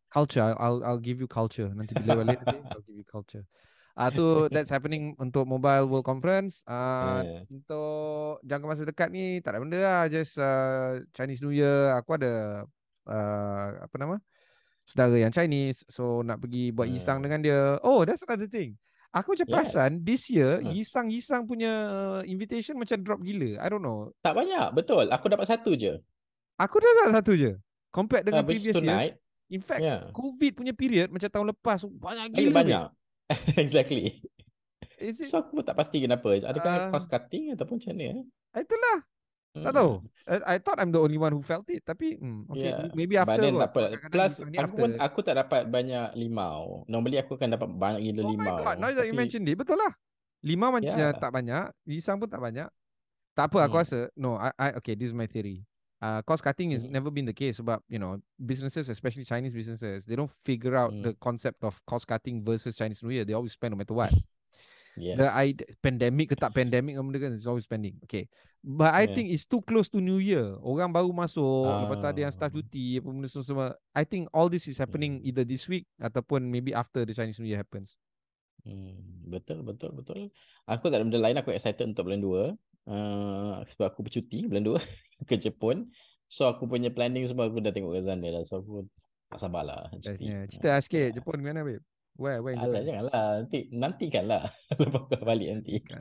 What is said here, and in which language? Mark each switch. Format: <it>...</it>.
<en>Culture, I'll give you culture.</en> <ms>Nanti bila balik,</ms> <en>I'll give you culture. Itu that's happening untuk Mobile World Conference.</en> <ms>Untuk jangka masa dekat ni tak ada benda lah.</ms> <en>Just Chinese New Year.</en> <ms>Aku ada apa nama, saudara yang Chinese, so nak pergi buat yisang dengan dia.</ms> <en>Oh, that's another thing.</en> <ms>Aku macam perasan</ms> <en>this year yisang-yisang punya invitation macam drop gila. I don't know.</en> <ms>Tak banyak, betul. Aku dapat satu je. Aku dah dapat satu je compared dengan previous tonight, years.</ms> <en>In fact,</en> <ms>COVID punya period macam tahun lepas banyak gila. Banyak.</ms> <en>Exactly. Is it...</en> <ms>So aku pun tak pasti kenapa. Adakah cost cutting ataupun macam ni? Itulah. Tak tahu.</ms> <en>I thought I'm the only one who felt it.</en> <ms>Tapi</ms> <en>maybe after. But then</en> <ms>tak apa. Plus aku tak dapat banyak limau. Normally aku akan dapat banyak gila limau.</ms> <en>Oh my god, now that you mentioned it,</en> <ms>betul lah. Limau tak banyak, pisang pun tak banyak. Tak apa, aku rasa.</ms> <en>No, okay, this is my theory. Cost cutting has never been the case. Sebab, you know, businesses, especially Chinese businesses, they don't figure out the concept of cost cutting versus Chinese New Year. They always spend no matter what. Yes. The pandemic</en> <ms>ke tak</ms> <en>pandemic, it's always spending. Okay. But I think it's too close to New Year.</en> <ms>Orang baru masuk, lepas tu ada yang staff cuti, apa benda semua.</ms> <en>I think all this is happening either this week ataupun maybe after the Chinese New Year happens.</en> <ms>Betul, betul, betul. Aku tak ada benda lain, aku excited untuk bulan 2. Sebab aku bercuti bulan 2 ke Jepun. So aku punya planning semua aku dah tengok ke sana dah. So aku tak sabarlah. Cerita lah sikit, Jepun ke mana, babe?</ms> <en>Where</en> <ms>Alah, jalan? Janganlah, nanti kan lah. Lepas aku balik nanti.</ms>